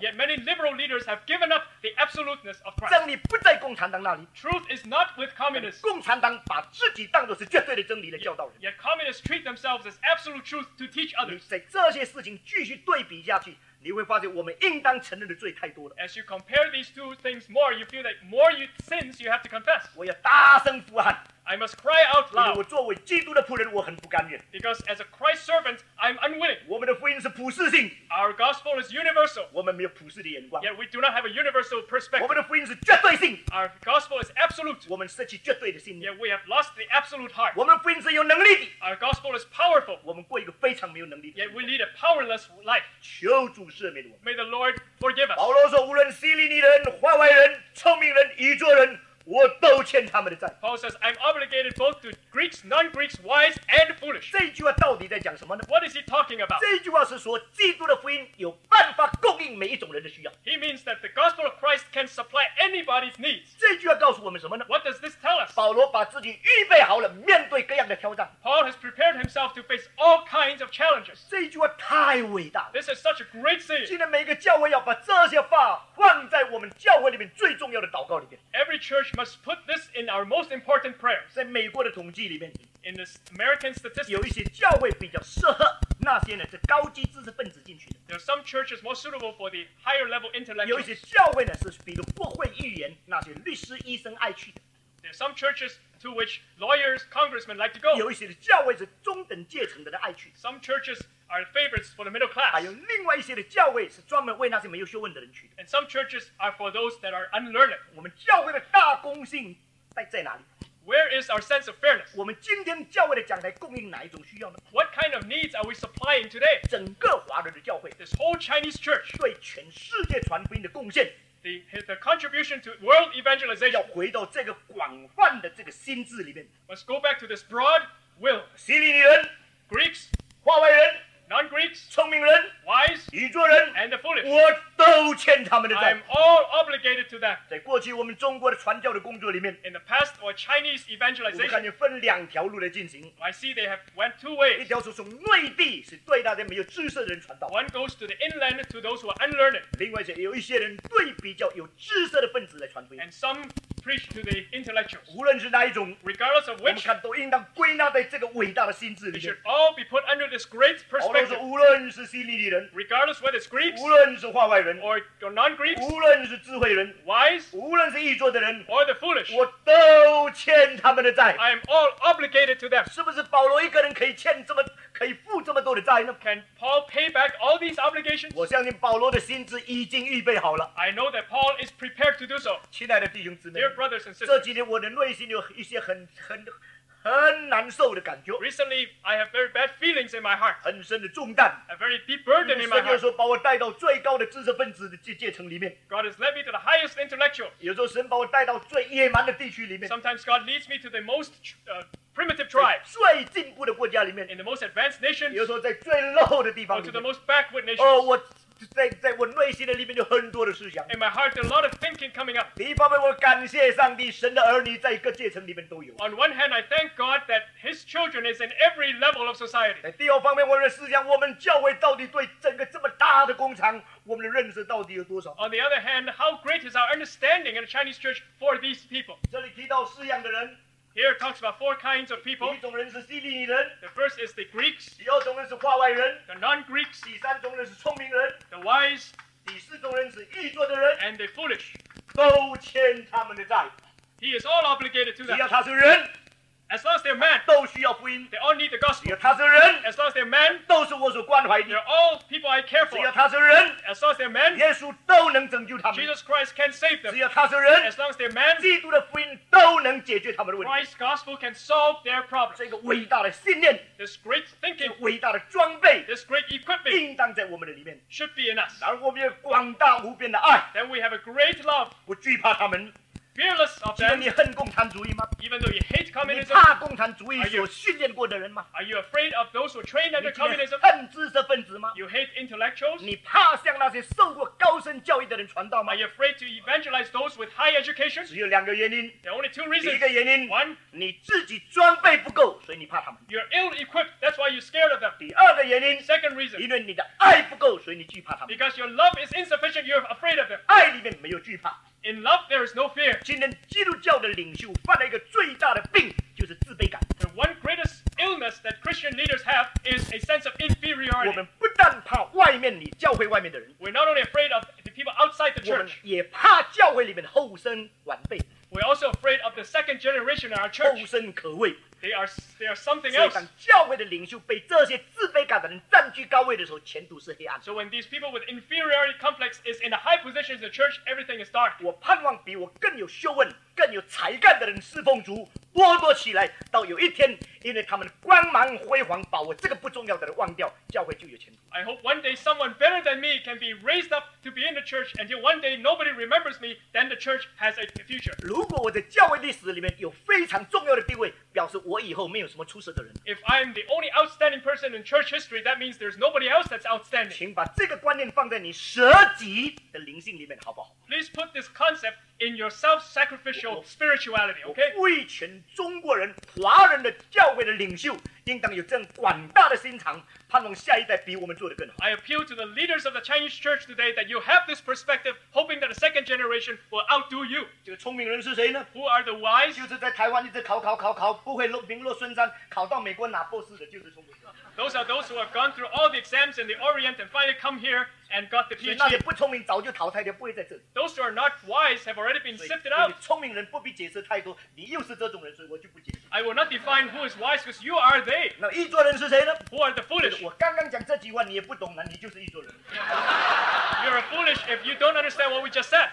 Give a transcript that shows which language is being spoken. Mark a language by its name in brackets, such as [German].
[English] Yet many liberal leaders have given up the absoluteness of Christ. [Chinese] 真理不在共产党那里。 [English] Truth is not with communists. [Chinese] 共产党把自己当作是绝对的真理来教导人。 [English] Yet communists treat themselves as absolute truth to teach others. [Chinese] 你在这些事情继续对比下去，你会发现我们应当承认的罪太多了。 [English] As you compare these two things more, you feel that more you sins you have to confess. [Chinese] 我要大声呼喊。 [English] I must cry out loud. [Chinese] 因为我作为基督的仆人，我很不甘愿。 [English] Because as a Christ servant, I'm unwilling. [Chinese] 我们的福音是普世性。 [English] Our gospel is universal. [Chinese] 我们没有普世的眼光。 [English] Yet we do not have a universal perspective. [Chinese] 我们的福音是绝对性。 [English] Our gospel is absolute. [Chinese] 我们失去绝对的信念。 [English] Yet we have lost the absolute heart. [Chinese] 我们的福音是有能力的。 [English] Our gospel is powerful. [Chinese] 我们过一个非常没有能力的。 [English] Yet we lead a powerless life. [Chinese] 求主赦免我们。 [English] May the Lord forgive us. [Chinese] 保罗说，无论希利尼人、化外人、聪明人、愚拙人，我都欠他们的债。 [English] Paul says, I'm obligated both to Greeks, non-Greeks, wise and foolish. [Chinese] 这句话到底在讲什么呢？ [English] What is he talking about? [Chinese] 这句话是说基督的福音有办法供应每一种人的需要。 [English] He means that the gospel of Christ can supply anybody's needs. [Chinese] 这句话告诉我们什么呢？ [English] What does this tell us? [Chinese] 保罗把自己预备好了面对各样的挑战。 [English] Paul has prepared himself to face all kinds of challenges. [Chinese] 这句话太伟大了。 [English] This is such a great saying. [Chinese] 今天每一个教会要把这些话放在我们教会里面最重要的祷告里面。 [English] Every church must put this in our most important prayers. [Chinese] 在美国的统计里面， [English] in this American statistics, [Chinese] 有一些教会比较适合那些呢是高级知识分子进去的。 [English] There are some churches more suitable for the higher level intellectuals. [Chinese] 有一些教会呢是比如国会议员那些律师医生爱去的。 [English] There are some churches to which lawyers, congressmen like to go. [Chinese] 有一些教会是中等阶层的人爱去的。 [English] Some churches are favorites for the middle class. [Chinese] 还有另外一些的教会是专门为那些没有学问的人去的。 [English] And some churches are for those that are unlearned. [Chinese] 我们教会的大公信在哪里？ [English] Where is our sense of fairness? [Chinese] 我们今天教会的讲台供应哪一种需要呢？ [English] What kind of needs are we supplying today? [Chinese] 整个华人的教会， [English] this whole Chinese church, [Chinese] 对全世界传福音的贡献， [English] the contribution to world evangelization, [Chinese] 要回到这个广泛的这个心智里面。 [English] Must go back to this broad will. [Chinese] 希利尼人， [English] Greeks, [Chinese] 化外人， [English] Non-Greeks, [Chinese] 聪明人， [English] wise, [Chinese] 愚拙人， [English] and the foolish, [Chinese] 我都欠他们的债。 [English] I am all obligated to them. [Chinese] 在过去我们中国的传教的工作里面， [English] in the past or Chinese evangelization, [Chinese] 我看见分两条路来进行。 [English] I see they have went two ways. [Chinese] 一条是从内地是对那些没有知识的人传道。 [English] One goes to the inland to those who are unlearned. [Chinese] 另外是有一些人对比较有知识的分子来传福音。 [English] And some preach to the intellectuals. [Chinese] 无论是哪一种， [English] regardless of which, [Chinese] 我们看都应当归纳在这个伟大的心智里面。 [English] They should all be put under this great perspective. [Chinese] 保罗说，无论是希利尼人， [English] regardless whether it's Greeks, [Chinese] 无论是化外人， [English] or non-Greeks, [Chinese] 无论是智慧人， [English] wise, [Chinese] 无论是愚拙的人， [English] or the foolish, [Chinese] 我都欠他们的债。 [English] I am all obligated to them. [Chinese] 是不是保罗一个人可以欠这么可可以付这么多的债呢？ [English] Can Paul pay back all these obligations? [Chinese] 我相信保罗的心智已经预备好了。 [English] I know that Paul is prepared to do so. [Chinese] 亲爱的弟兄姊妹， [English] Dear brothers and sisters, [Chinese] 这几年我的内心有一些很难受的感觉。 [English] Recently, I have very bad feelings in my heart. [Chinese] 很深的重担。 [English] A very deep burden in my heart. [Chinese] 神说把我带到最高的知识分子的阶层里面。 [English] God has led me to the highest intellectual. [Chinese] 有时候神把我带到最野蛮的地区里面。 [English] Sometimes God leads me to the most primitive tribe. [Chinese] 最进步的国家里面。 [English] In the most advanced nations. [Chinese] 有时候在最落的地方里面。 [English] Or to the most backward nations. [Chinese] 哦，我在我内心的里面有很多的思想。 [English] In my heart, a lot of thinking coming up. [Chinese] 第一方面，我感谢上帝，神的儿女在各阶层里面都有。 [English] On one hand, I thank God that His children is in every level of society. [Chinese] 第二方面，我的思想，我们教会到底对整个这么大的工厂，我们的认识到底有多少？ [English] On the other hand, how great is our understanding in the Chinese church for these people? [Chinese] 这里提到四样的人。 [English] Here it talks about four kinds of people. [Chinese] 第一种人是希利尼人。 [English] The first is the Greeks. [Chinese] 第二种人是话外人。 [English] The non-Greeks. [Chinese] 第三种人是聪明人。 [English] The wise. [Chinese] 第四种人是愚拙的人。 [English] And the foolish. [Chinese] 都欠他们的债。 [English] He is all obligated to them. [Chinese] 只要他是人。 [English] As long as they're men, [Chinese] 都需要福音。 [English] They all need the gospel. [Chinese] 只要他是人。 [English] As long as they're men, [Chinese] 都是我所关怀的。 [English] They're all people I care for. [Chinese] 只要他是人。 [English] As long as they're men, [Chinese] 耶稣都能拯救他们。 [English] Jesus Christ can save them. [Chinese] 只要他是人。 [English] As long as they're men, [Chinese] 基督的福音都能解决他们的问题。 [English] Christ's gospel can solve their problems. [Chinese] 这个伟大的信念。 [English] This great thinking. [Chinese] 这伟大的装备。 [English] This great equipment. [Chinese] 应当在我们的里面。 [English] Should be in us. [Chinese] 然后我们有广大无边的爱。 [English] Then we have a great love. [Chinese] 不惧怕他们。 [English] Fearless of them, [Chinese] 即便你恨共产主义吗？ [English] Even though you hate communism, [Chinese] 你怕共产主义所训练过的人吗？ [English] Are you afraid of those who trained under communism? [Chinese] 你恨知识分子吗？ [English] You hate intellectuals? [Chinese] 你怕向那些受过高深教育的人传道吗？ [English] Are you afraid to evangelize those with high education? [Chinese] 只有两个原因。 [English] There are only two reasons. [Chinese] 第一个原因， [English] One, [Chinese] 你自己装备不够，所以你怕他们。 [English] You're ill-equipped, that's why you're scared of them. [Chinese] 第二个原因， [English] Second reason, [Chinese] 因为你的爱不够，所以你惧怕他们。 [English] Because your love is insufficient, you're afraid of them. [Chinese] 爱里面没有惧怕。 [English] In love, there is no fear. [Chinese] 今天基督教的领袖犯了一个最大的病，就是自卑感。 [English] The one greatest illness that Christian leaders have is a sense of inferiority. [Chinese] 我们不但怕外面你教会外面的人。 [English] We're not only afraid of the people outside the church. [Chinese] 我们也怕教会里面后生晚辈。 [English] We're also afraid of the second generation in our church. [Chinese] 后生可畏。 [English] They are something else. [Chinese] 所以当教会的领袖被这些自卑感的人占据高位的时候，前途是黑暗。 [English] So when these people with inferiority complex is in a high position in the church, everything is dark. [Chinese] 我盼望比我更有学问、更有才干的人侍奉主，勃勃起来，到有一天，因为他们光芒辉煌，把我这个不重要的人忘掉，教会就有前途。 [English] I hope one day someone better than me can be raised up to be in the church, until one day nobody remembers me, then the church has a future. [Chinese] 如果我在教会历史里面有非常重要的地位，表示我以后没有什么出色的人。 [English] If I'm the only outstanding person in church history, that means there's nobody else that's outstanding. [Chinese] 请把这个观念放在你舍己的灵性里面，好不好？ [English] Please put this concept in your self-sacrificial spirituality, okay? [Chinese] 我为全中国人、华人的教会的领袖，应当有这样广大的心肠，盼望下一代比我们做得更好。 [English] I appeal to the leaders of the Chinese church today that you have this perspective, hoping that the second generation will outdo you. [Chinese] 这个聪明人是谁呢？ [English] Who are the wise? [Chinese] 就是在台湾一直考，不会落名落孙山，考到美国拿博士的，就是聪明人。 [English] Those are those who have gone through all the exams in the Orient and finally come here and got the PhD. [Chinese] 那些不聪明早就淘汰掉，不会在这里。 [English] Those who are not wise have already been sifted out. [Chinese] 聪明人不必解释太多，你又是这种人，所以我就不解释。 [English] I will not define who is wise because you are they. [Chinese] 那愚拙人是谁呢？ [English] Who are the foolish? [Chinese] 我刚刚讲这句话你也不懂，那你就是愚拙人。 [English] You're a foolish if you don't understand what we just said.